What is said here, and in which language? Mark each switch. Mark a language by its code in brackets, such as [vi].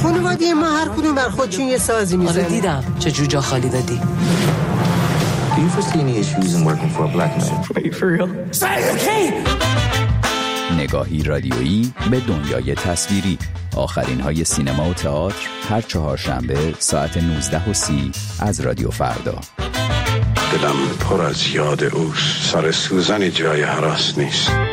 [fa] خانواده ما هر کدوم بر خودشون یه سازی میزنه. آره دیدم چه جوجه خالی دادی. [en] Do you foresee any issues in working for a black man? Are you for real? Say it again! [fa] نگاهی رادیویی به دنیای تصویری، آخرین های سینما و تئاتر، هر چهارشنبه ساعت 19:30 از رادیو فردا. دلم پر از یاد اوست، سر سوزنی جای هراس نیست.